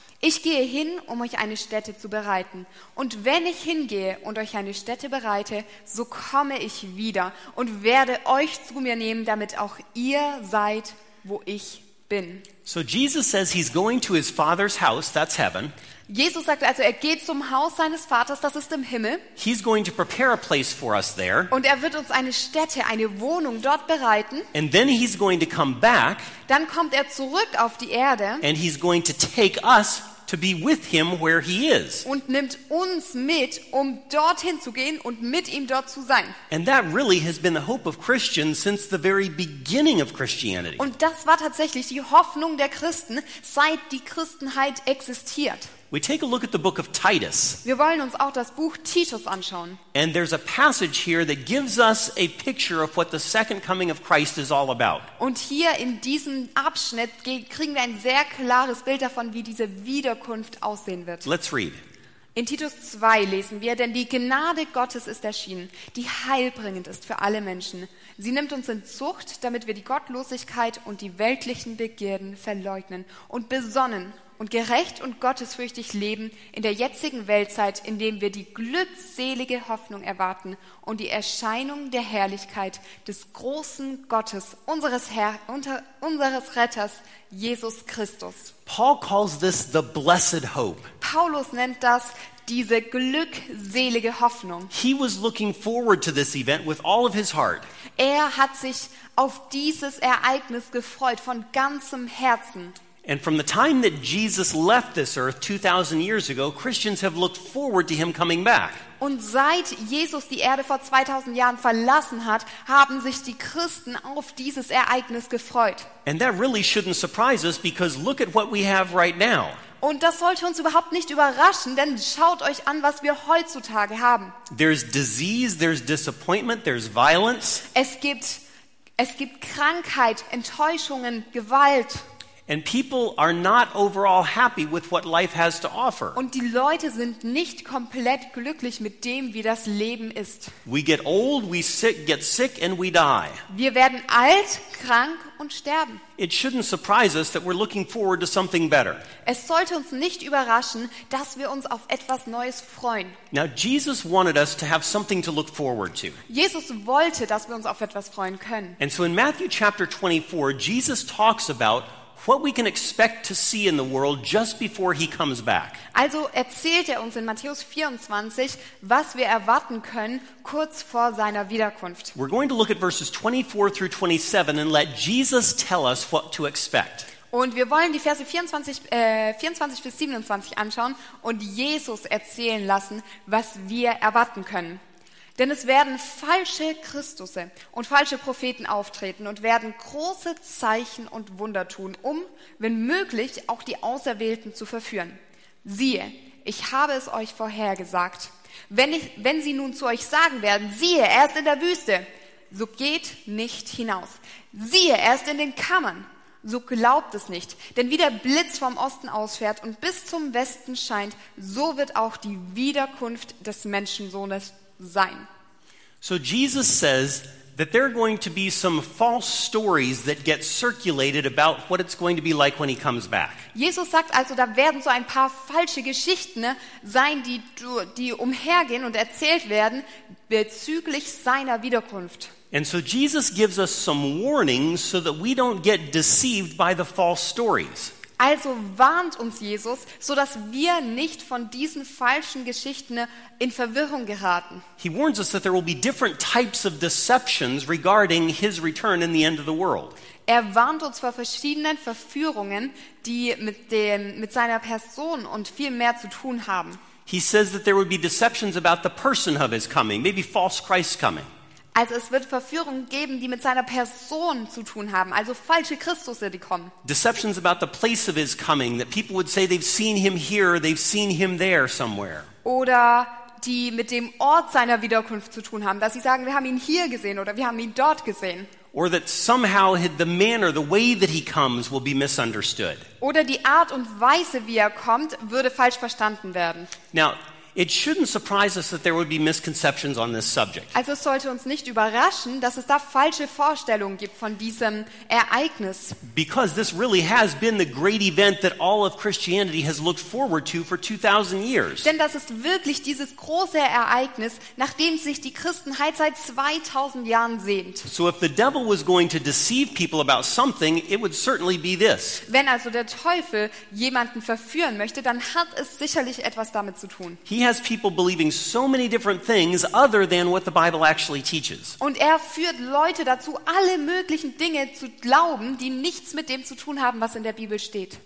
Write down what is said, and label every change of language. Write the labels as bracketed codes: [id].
[de] Ich gehe hin, um euch eine Stätte zu bereiten. Und wenn ich hingehe und euch eine Stätte bereite, so komme ich wieder und werde euch zu mir nehmen, damit auch ihr seid, wo ich bin. [en] So Jesus says he's going to his father's house, that's heaven. [de] Jesus sagt also, er geht zum Haus seines Vaters, das ist im Himmel. [en] He's going to prepare a place for us there. [de] Und er wird uns eine Stätte, eine Wohnung dort bereiten. [en] And then he's going to come back. [de] Dann kommt er zurück auf die Erde. [en] And he's going to take us to be with him where he is. [de] Und nimmt uns mit, um dorthin zu gehen und mit ihm dort zu sein. [en] And that really has been the hope of Christians since the very beginning of Christianity. [de] Und das war tatsächlich die Hoffnung der Christen, seit die Christenheit existiert. [en] We take a look at the book of Titus. [de] Wir wollen uns auch das Buch Titus anschauen. [en] And there's a passage here that gives us a picture of what the second coming of Christ is all about. [de] Und hier in diesem Abschnitt kriegen wir ein sehr klares Bild davon, wie diese Wiederkunft aussehen wird. [en] Let's read. [de] In Titus 2 lesen wir, denn die Gnade Gottes ist erschienen, die heilbringend ist für alle Menschen. Sie nimmt uns in Zucht, damit wir die Gottlosigkeit und die weltlichen Begierden verleugnen und besonnen und gerecht und gottesfürchtig leben in der jetzigen Weltzeit, in dem wir die glückselige Hoffnung erwarten und die Erscheinung der Herrlichkeit des großen Gottes, unseres Retters, Jesus Christus. [en] Paul calls this the blessed hope. [de] Paulus nennt das diese glückselige Hoffnung. [en] He was looking forward to this event with all of his heart. [de] Er hat sich auf dieses Ereignis gefreut von ganzem Herzen. [en] And from the time that Jesus left this earth 2000 years ago, Christians have looked forward to him coming back. [de] Und seit Jesus die Erde vor 2000 Jahren verlassen hat, haben sich die Christen auf dieses Ereignis gefreut. [en] And that really shouldn't surprise us, because look at what we have right now. [de] Und das sollte uns überhaupt nicht überraschen, denn schaut euch an, was wir heutzutage haben. [en] There's disease, there's disappointment, there's violence. [de] Es gibt Krankheit, Enttäuschungen, Gewalt. [en] And people are not overall happy with what life has to offer. [de] Und die Leute sind nicht komplett glücklich mit dem, wie das Leben ist. [en] We get old, we get sick and we die. [de] Wir werden alt, krank und sterben. [en] It shouldn't surprise us that we're looking forward to something better. [de] Es sollte uns nicht überraschen, dass wir uns auf etwas Neues freuen. [en] Now Jesus wanted us to have something to look forward to. [de] Jesus wollte, dass wir uns auf etwas freuen können. [en] And so in Matthew chapter 24, Jesus talks about what we can expect to see in the world just before he comes back. [de] Also erzählt uns in Matthäus 24, was wir erwarten können kurz vor seiner Wiederkunft. [en] We're going to look at verses 24 through 27 and let Jesus tell us what to expect. [de] Und wir wollen die Verse 24 bis 27 anschauen und Jesus erzählen lassen, was wir erwarten können. Denn es werden falsche Christusse und falsche Propheten auftreten und werden große Zeichen und Wunder tun, um, wenn möglich, auch die Auserwählten zu verführen. Siehe, ich habe es euch vorhergesagt. Wenn sie nun zu euch sagen werden, siehe, er ist in der Wüste, so geht nicht hinaus. Siehe, er ist in den Kammern, so glaubt es nicht. Denn wie der Blitz vom Osten ausfährt und bis zum Westen scheint, so wird auch die Wiederkunft des Menschensohnes sein. [en] So Jesus says that there are going to be some false stories that get circulated about what it's going to be like when he comes back. [de] Jesus sagt also, da werden so ein paar falsche Geschichten sein, die umhergehen und erzählt werden bezüglich seiner Wiederkunft. [en] And so Jesus gives us some warnings so that we don't get deceived by the false stories. [de] Also warnt uns Jesus, so dass wir nicht von diesen falschen Geschichten in Verwirrung geraten. [en] He warns us that there will be different types of deceptions regarding his return in the end of the world. [de] Er warnt uns vor verschiedenen Verführungen, die mit seiner Person und viel mehr zu tun haben. [en] He says that there will be deceptions about the person of his coming, maybe false Christ coming. [de] Also es wird Verführungen geben, die mit seiner Person zu tun haben, also falsche Christusse, die kommen. [en] Deceptions about the place of his coming, that people would say they've seen him here, they've seen him there somewhere. [de] Oder die mit dem Ort seiner Wiederkunft zu tun haben, dass sie sagen, wir haben ihn hier gesehen oder wir haben ihn dort gesehen. [en] Or that somehow the manner, the way that he comes will be misunderstood. [de] Oder die Art und Weise, wie er kommt, würde falsch verstanden werden. [en] Now, it shouldn't surprise us that there would be misconceptions on this subject. [de] Also es sollte uns nicht überraschen, dass es da falsche Vorstellungen gibt von diesem Ereignis. [en] Because this really has been the great event that all of Christianity has looked forward to for 2000 years. [de] Denn das ist wirklich dieses große Ereignis, nach dem sich die Christenheit seit 2000 Jahren sehnt. [en] So if the devil was going to deceive people about something, it would certainly be this. [de] Wenn also der Teufel jemanden verführen möchte, dann hat es sicherlich etwas damit zu tun. [en] He has people believing so many different things other than what the Bible actually teaches. [de] Und er führt Leute dazu, alle möglichen Dinge zu glauben, die nichts mit dem zu tun haben, was in der Bibel steht.